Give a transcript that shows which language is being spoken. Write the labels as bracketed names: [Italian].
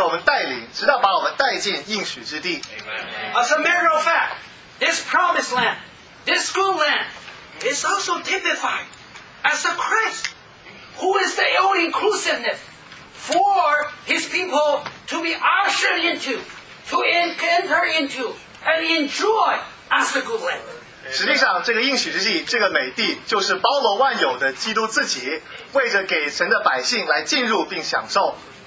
[Chinese] 不仅仅是来给我们以应许，他也给我们带领，直到把我们带进应许之地。 [English] As a matter of fact, this promised land, this good land, is also typified as a Christ, who is the all-inclusiveness for his people to be ushered into, to enter into, and enjoy as the good land. [Chinese] 实际上这个应许之地这个美地就是包罗万有的基督自己为着给神的百姓来进入并享受。